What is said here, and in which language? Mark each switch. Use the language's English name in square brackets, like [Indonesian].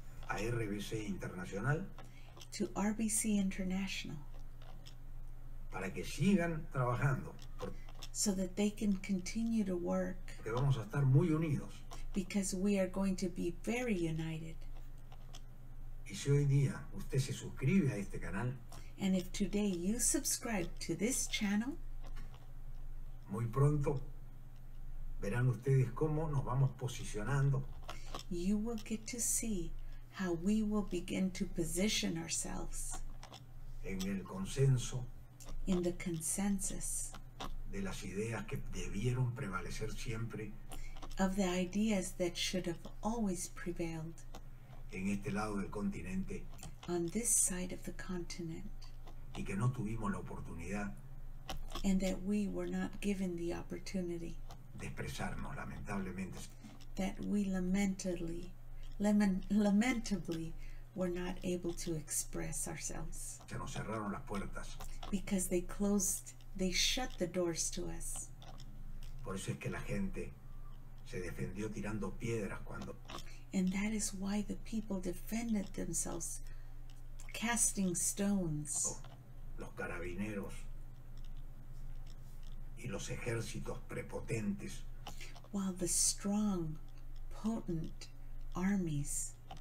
[Spanish] A RBC Internacional. [English] To RBC International. [Spanish] Para que sigan trabajando. [English] So that they can continue to work. [Spanish] Que vamos a estar muy unidos. [English] Because we are going to be very united. [Spanish] Y si hoy día usted se suscribe a este canal, [English] and if today you subscribe to this channel, [Spanish] muy pronto verán ustedes cómo nos vamos posicionando. [English] You will get to see how we will begin to position ourselves [Spanish] en el consenso, [English] in the consensus, [Spanish] de las ideas que debieron prevalecer siempre, [English] of the ideas that should have always prevailed, [Spanish] en este lado del continente, [English] on this side of the continent, [Spanish] y que no tuvimos la oportunidad, [English] and that we were not given the opportunity, [Spanish] de expresarnos lamentablemente, [English] that we lamentably were not able to express ourselves, [Spanish] se nos cerraron las puertas, [English] because they shut the doors to us. [Spanish] Por eso es que la gente se defendió tirando piedras cuando... [English] And that is why the people defended themselves casting stones. [Spanish] Los carabineros y los ejércitos prepotentes. [English] While the strong, potent armies